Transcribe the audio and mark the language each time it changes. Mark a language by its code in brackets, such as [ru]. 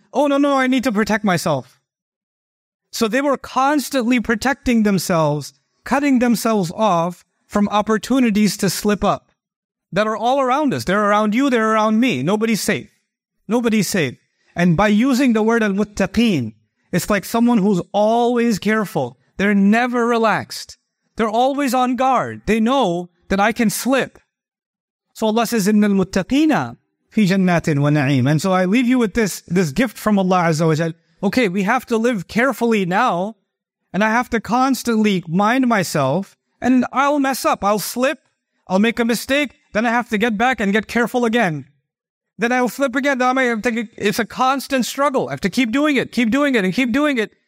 [en] Oh, no, I need to protect myself. So they were constantly protecting themselves, cutting themselves off from opportunities to slip up that are all around us. They're around you, they're around me. Nobody's safe. Nobody's safe. And by using the word al-muttaqeen, it's like someone who's always careful. They're never relaxed. They're always on guard. They know that I can slip. So Allah says, [ar] إِنَّ الْمُتَّقِينَ فِي جَنَّاتٍ وَنَعِيمٍ. [en] And so I leave you with this gift from Allah Azza wa Jal. Okay, we have to live carefully now, and I have to constantly mind myself, and I'll mess up. I'll slip. I'll make a mistake. Then I have to get back and get careful again. Then I'll slip again. Then I might have to, it's a constant struggle. I have to keep doing it, keep doing it, and keep doing it.